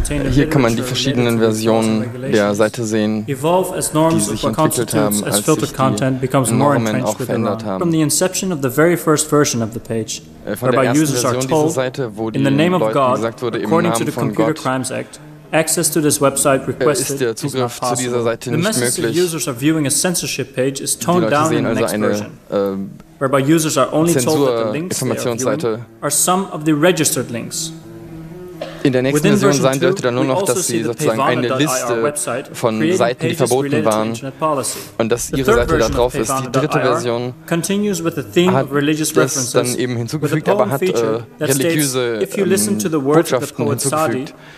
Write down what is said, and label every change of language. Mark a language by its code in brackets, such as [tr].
[de] Hier kann man die verschiedenen Versionen der Seite sehen, die sich entwickelt haben, als sich die Normen auch verändert haben. [en] From the inception of the very first version of the page, [de] von der ersten Version dieser Seite, wo den Leuten gesagt wurde, im Namen von Gott, [en] access to this website requested [de] ist der Zugriff zu dieser Seite nicht möglich. [en] The message the users are viewing a censorship page is toned down in the next [de] also [en] version. Whereby users are only told that the links they are viewing are some of the registered links. [de] In der nächsten Version sein dürfte dann nur noch, dass sie sozusagen eine Liste von Seiten, die verboten waren, und dass ihre Seite da drauf ist. Die dritte Version hat das dann eben hinzugefügt, aber hat religiöse Botschaften hinzugefügt.